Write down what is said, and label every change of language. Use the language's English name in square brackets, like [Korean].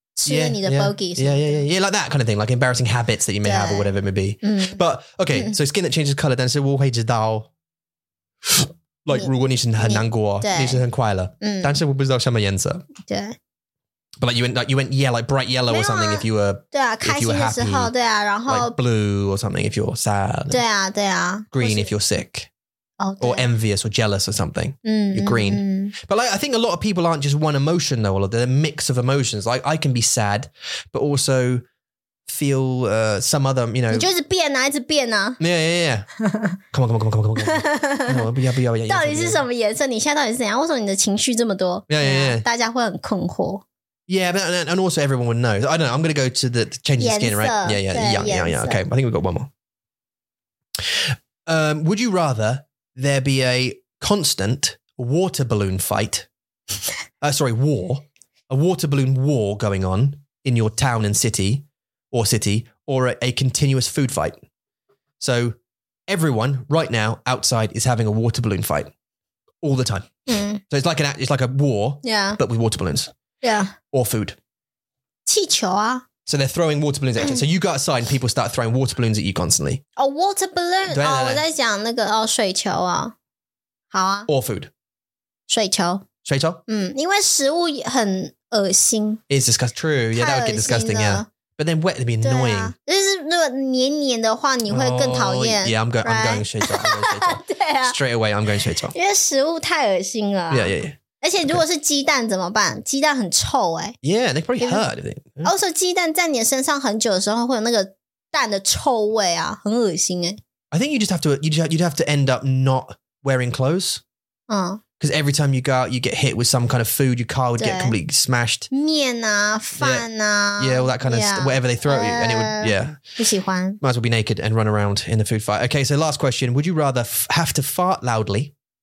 [English] Yeah, like that kind of thing, like embarrassing habits that you may have or whatever it may be. But okay, so skin that changes color, then so [Chinese] 我会知道 [English] like [Chinese] 如果你是很难过，你是很快乐，但是我不知道什么颜色。对。 [English] But like you went yeah, like bright yellow or something if you were happy. [Chinese] 对啊，开心的时候，对啊，然后 [English] like blue or something if you're sad. [Chinese] 对啊，对啊。 [English] Green if you're sick. Or envious or jealous or something. You're green. But like, I think a lot of people aren't just one emotion though. They're a mix of emotions. Like I can be sad, but also feel some other, you know. [Chinese] 你就一直变啊，一直变啊。 [English] Yeah. Come on. [Chinese] 到底是什么颜色？你现在到底是怎样？为什么你的情绪这么多？ [English] Yeah. [Chinese] 大家会很困惑。 [English] Yeah, but, and also everyone would know. I don't know. I'm going to go to the change of skin, right? Yeah. Okay, I think we've got one more. Would you rather there be a constant... water balloon fight, a water balloon war going on in your town and city, or a continuous food fight. So everyone right now outside is having a water balloon fight all the time. So it's like a war, but with water balloons. Yeah. Or food. [Chinese] 气球啊。 [English] So they're throwing water balloons at you. So you go outside and people start throwing water balloons at you constantly. Oh, water balloon. [Chinese] 对啊，我在讲那个哦，水球啊。好啊。 [English] Or food. [Chinese] 水球，水球，因为食物很恶心 [English] It's disgusting. True. Yeah, that would get disgusting. Yeah. But then wet would be annoying. [Chinese] 就是如果黏黏的话你会更讨厌 [English] Yeah, I'm going [Chinese] 水饺 [English] I'm going 水饺 Straight away, I'm going 水饺 [Chinese] 因为食物太恶心了 [English] Yeah, yeah, yeah. [Chinese] 而且如果是鸡蛋怎么办？鸡蛋很臭哎。 [English] Yeah, they probably hurt. [Chinese] Also, 鸡蛋在你身上很久的时候，会有那个蛋的臭味啊，很恶心哎。 [English] I think you just have to you'd have to end up not wearing clothes. [Chinese] 嗯。 [English] Because every time you go out, you get hit with some kind of food. Your car would get completely smashed. [Chinese] 面啊，饭啊。 [English] Yeah, all that kind of whatever they throw at you, and it would [Chinese] 不喜欢。 [English] Might as well be naked and run around in the food fight. Okay, so last question: Would you rather have to fart loudly?